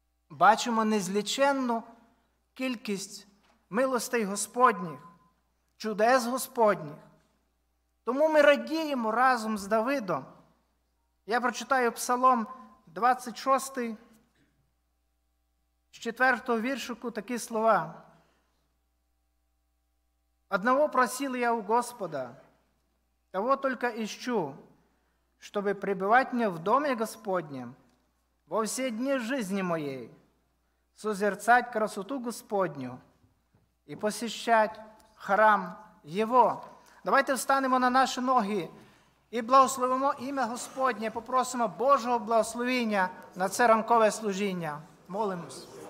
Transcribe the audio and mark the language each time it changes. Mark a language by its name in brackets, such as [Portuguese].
[Ukrainian] Бачимо незліченну кількість милостей Господніх, чудес Господніх. Тому ми радіємо разом з Давидом. Я прочитаю Псалом 26, з 4-го віршику такі слова. [Russian] «Одного просил я у Господа, того только ищу, чтобы пребывать мне в доме Господнем во все дни жизни моей, созерцать красоту Господню и посещать храм Его». [Ukrainian] Давайте встанемо на наші ноги і благословимо ім'я Господнє, попросимо Божого благословіння на це ранкове служіння. Молимось.